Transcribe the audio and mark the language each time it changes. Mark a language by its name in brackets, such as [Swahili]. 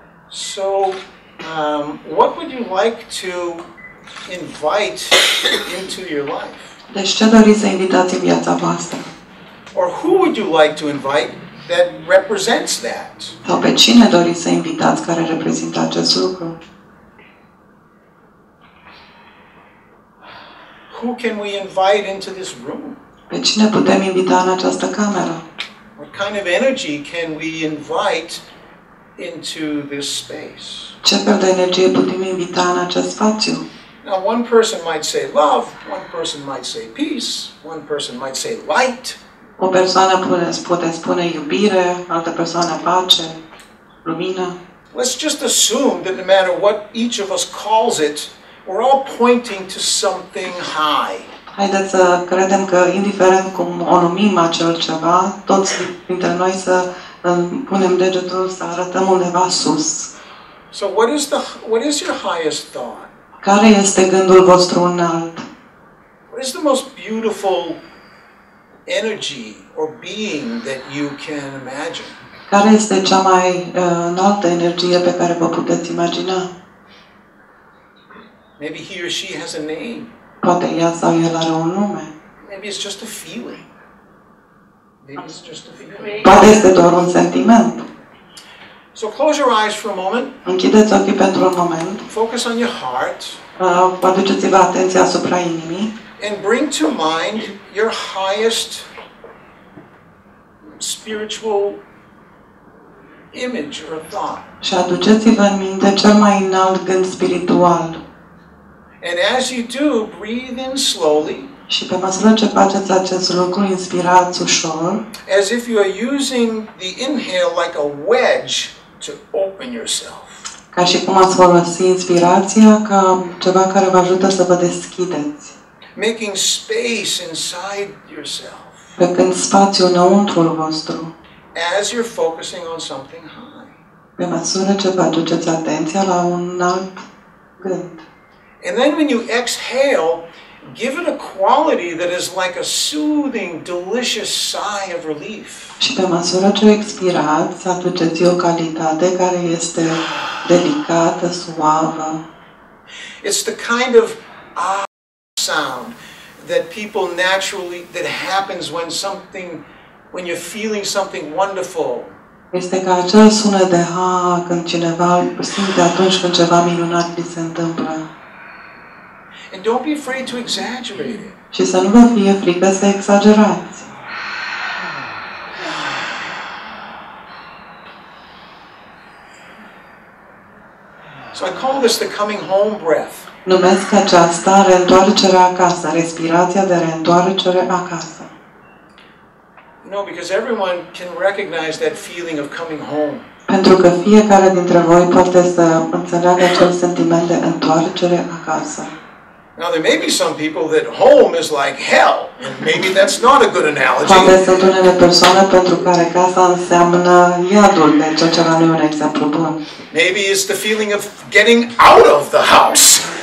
[English] So, what would you like to invite into your life? [Romanian] Deci ce doriți să invitați în viața voastră? [English] Or who would you like to invite that represents that? [Romanian] Sau pe cine doriți să invitați care reprezintă acest lucru? [English] Who can we invite into this room? [Romanian] Pe cine putem invita în această cameră? [English] What kind of energy can we invite into this space? [Romanian] Ce fel de energie putem invita în acest spațiu? [English] Now one person might say love, one person might say peace, one person might say light. [Romanian] O persoană poate spune iubire, altă persoană pace, lumină. [English] Let's just assume that no matter what each of us calls it, we're all pointing to something high. [Romanian] Haideți să credem că indiferent cum o numim acel ceva, toți dintre noi să punem degetul să arătăm undeva sus. [English] So what is your highest thought? [Romanian] Care este gândul vostru înalt? [English] What is the most beautiful energy or being that you can imagine? [Romanian] Care este cea mai înaltă energie pe care vă puteți imagina? [English] Maybe he or she has a name. [Romanian] Poate ea sau el are un nume. [English] Maybe it's just a feeling. Maybe it's just a feeling. [Romanian] Poate este doar un sentiment. [English] So close your eyes for a moment. [Romanian] Închideți ochii pentru un moment. [English] Focus on your heart. [Romanian] Aduceți-vă atenția asupra inimii. [English] And bring to mind your highest spiritual image or thought. [Romanian] Și aduceți-vă în minte cel mai înalt gând spiritual. [English] And as you do, breathe in slowly. [Romanian] Și pe măsură ce faceți acest lucru, inspirați ușor. [English] As if you are using the inhale like a wedge to open yourself. [Romanian] Ca și cum ați folosi inspirația ca ceva care vă ajută să vă deschideți. [English] Making space inside yourself. [Romanian] Făcând spațiu înăuntru vostru. [English] As you're focusing on something high. [Romanian] Pe măsură ce vă aduceți atenția la un alt gând. [English] And then when you exhale, give it a quality that is like a soothing, delicious sigh of relief. [Romanian] Și pe măsură ce expirați, aduceți o calitate care este delicată, suavă. [English] It's the kind of sound that people naturally that happens when something when you're feeling something wonderful. [Romanian] Este ca acel sunet de ha când cineva simte atunci când ceva minunat li se întâmplă. [English] And don't be afraid to exaggerate it. [Romanian] Și să nu vă fie frică să exagerați. [English] So I call this the coming home breath. [Romanian] Numesc aceasta reîntoarcerea acasă, respirația de reîntoarcere acasă. [English] No, because everyone can recognize that feeling of coming home. [Romanian] Pentru că fiecare dintre voi poate să înțeleagă acel sentiment de întoarcere acasă. [English] Now there may be some people that home is like hell, and maybe that's not a good analogy. [Romanian] Poate sunt unele persoane pentru care casa înseamnă iadul, deci acela nu e un exemplu bun. [English] Maybe it's the feeling of getting out of the house.